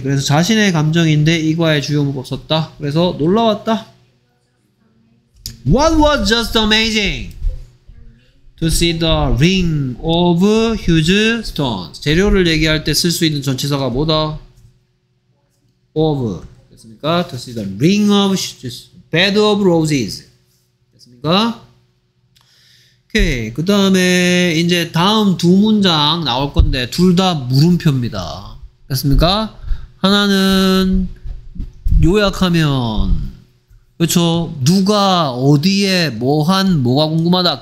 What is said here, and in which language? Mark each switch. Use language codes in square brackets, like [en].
[ko] 그래서 자신의 감정인데 이과의 주요 문법 썼다. 그래서 놀라웠다. [en] What was just amazing? To see the ring of huge stones. [ko] 재료를 얘기할 때 쓸 수 있는 전치사가 뭐다? Of. 됐습니까? [en] To see the ring of bed of roses. [ko] 됐습니까? 오케이. 그 다음에 이제 다음 두 문장 나올 건데 둘 다 물음표입니다. 됐습니까? 하나는 요약하면 그렇죠. 누가 어디에 뭐한 뭐가 궁금하다.